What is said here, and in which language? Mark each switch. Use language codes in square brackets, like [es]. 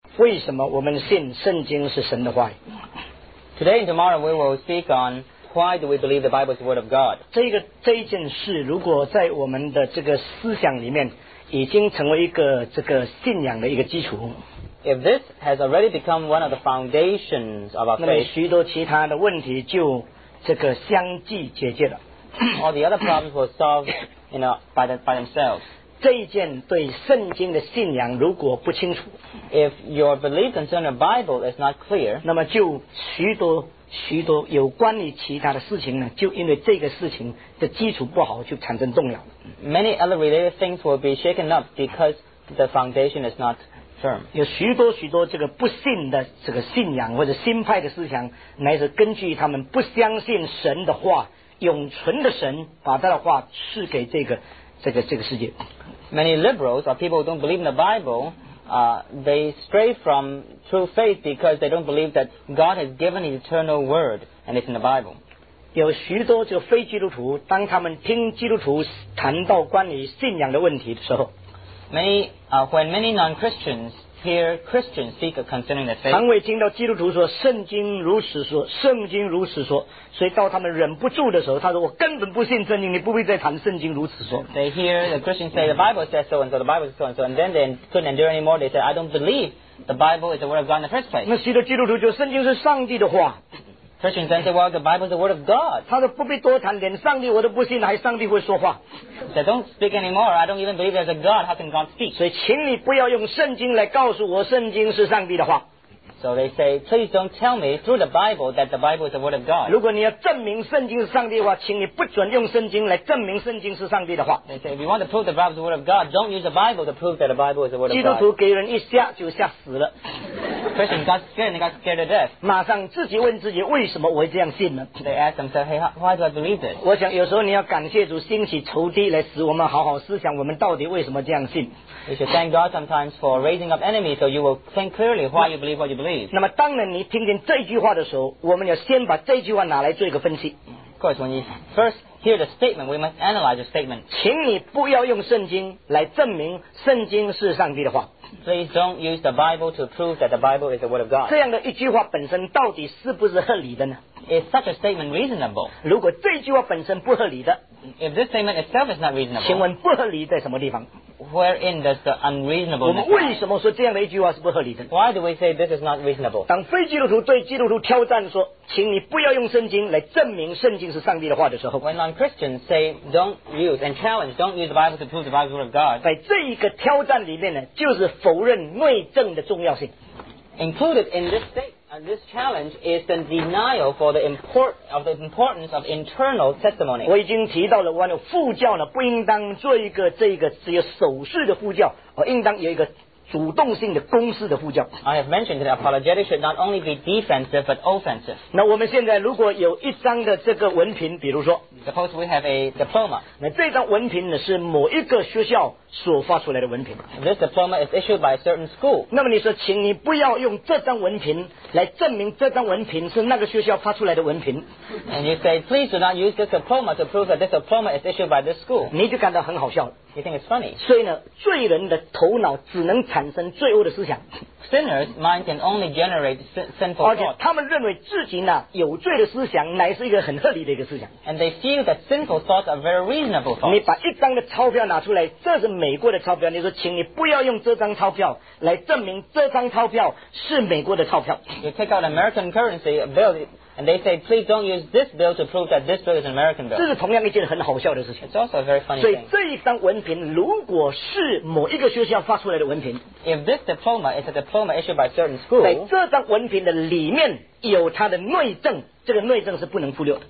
[zh] 为什么我们信圣经是神的话语。 [en] Today and tomorrow we will speak on why do we believe the Bible is the word of God. [zh] 这一件事如果在我们的这个思想里面已经成为一个这个信仰的一个基础。 [en] If this has already become one of the foundations of our faith, [zh] 那么许多其他的问题就这个相继解决了。 [en] All the other problems were solved, you know, by themselves. [zh] 这一件对圣经的信仰如果不清楚 [en] ，If your belief concerning the Bible is not clear, [zh] 那么就许多许多有关于其他的事情呢，就因为这个事情的基础不好，就产生动摇。 [en] Many other related things will be shaken up because the foundation is not. [zh] 有许多许多这个不信的这个信仰或者新派的思想，乃是根据他们不相信神的话，永存的神把他的话赐给这个世界。 [en] Many liberals or people who don't believe in the Bible, they stray from true faith because they don't believe that God has given His eternal word and it's in the Bible. [zh] 有许多这个非基督徒，当他们听基督徒谈到关于信仰的问题的时候。 [en] When many non-Christians hear Christians speak concerning the faith, [zh] 常会听到基督徒说圣经如此说，圣经如此说。所以到他们忍不住的时候，他说我根本不信圣经，你不必再谈圣经如此说。 [en] They hear the Christians say the Bible says so and so, the Bible says so and so, and then they couldn't endure anymore. They said, I don't believe the Bible is the word of God in the first place. [zh] 那许多基督徒就圣经是上帝的话。 [en] Christians then say, well, the Bible is the word of God. [zh] 他说不必多谈，连上帝我都不信，还上帝会说话。 [en] They don't speak anymore. I don't even believe there's a God. How can God speak? [zh] 所以请你不要用圣经来告诉我圣经是上帝的话。 [en] So they say, please don't tell me through the Bible that the Bible is the word of God. [zh] 如果你要证明圣经是上帝的话，请你不准用圣经来证明圣经是上帝的话。 [en] They say, if you want to prove the Bible is the word of God, don't use the Bible to prove that the Bible is the word of God. [zh] 基督徒给人一吓就吓死了。 [en] Christian got scared and got scared to death. [zh] 马上自己问自己为什么我会这样信呢 [en] ？They ask themselves, "Hey, why do I believe this?" [zh] 我想有时候你要感谢主兴起仇敌来使我们好好思想我们到底为什么这样信。 [en] You should thank God sometimes for raising up enemies so you will think clearly why you believe what you believe. [zh] 那么当然你听见这句话的时候，我们要先把这句话拿来做一个分析。 [en] Of course, when you first hear the statement, we must analyze the statement. [zh] 请你不要用圣经来证明圣经是上帝的话。 [en] Please don't use the Bible to prove that the Bible is the word of God. [zh] 这样的一句话本身到底是不是合理的呢 [en] ？Is such a statement reasonable? [zh] 如果这句话本身不合理的 [en] ，If this statement itself is not reasonable, [zh] 请问不合理在什么地方 [en] ？Wherein does the unreasonable? [zh] 我们为什么说这样的一句话是不合理的 [en] ？Why do we say this is not reasonable? [zh] 当非基督徒对基督徒挑战说，请你不要用圣经来证明圣经是上帝的话的时候 [en] ，When non-Christians say don't use the Bible to prove the Bible is the word of God, [zh] 在这一个挑战里面呢，就是。否认内证的重要性。 [en] Included in this statement, this challenge is the denial for the importance of internal testimony. [zh] 我已经提到了，我的副教呢不应当做一个这个只有手势的副教，而应当有一个主动性的公式的副教。 [en] I have mentioned that apologetics should not only be defensive but offensive. [zh] 那我们现在如果有一张的这个文凭，比如说 [en] ，Suppose we have a diploma. [zh] 那这张文凭呢是某一个学校。所发出来的文凭。 [en] This diploma is issued by a certain school. [zh] 那么你说，请你不要用这张文凭来证明这张文凭是那个学校发出来的文凭。 [en] And you say, please do not use this diploma to prove that this diploma is issued by this school. [zh] 你就感到很好笑。 [en] You think it's funny. [zh] 所以呢，罪人的头脑只能产生罪恶的思想。 [en] Sinners mind can only generate sinful thoughts. [zh] 而且他们认为自己呢有罪的思想乃是一个很合理的一个思想。 [en] And they feel that sinful thoughts are very reasonable thoughts. [zh] 你把一张的钞票拿出来，这是。美国的钞票，你说，请你不要用这张钞票来证明这张钞票是美国的钞票。 [en] You take out an American currency bill, and they say, please don't use this bill to prove that this bill is an American bill. [zh] 这是同样一件很好笑的事情。 [en] It's also a very funny thing. [zh] 所以这一张文凭如果是某一个学校发出来的文凭 [en] ，If this diploma is a diploma issued by a certain school, [zh] 在这张文凭的里面有它的内证。这个内证是不能忽略的。